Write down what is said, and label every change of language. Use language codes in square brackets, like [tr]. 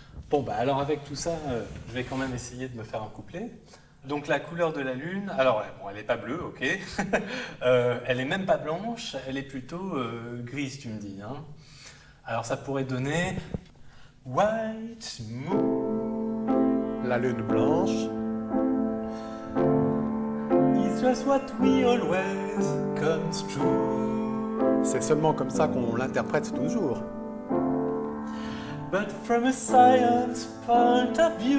[fr] Bon, bah alors avec tout ça, je vais quand même essayer de me faire un couplet. Donc la couleur de la Lune, alors bon, elle n'est pas bleue, ok. Elle n'est même pas blanche, elle est plutôt grise, tu me dis, hein. Alors ça pourrait donner White La lune blanche. [en] It's just what we always comes true. [fr] C'est seulement comme ça qu'on l'interprète toujours. [en] But from a science point of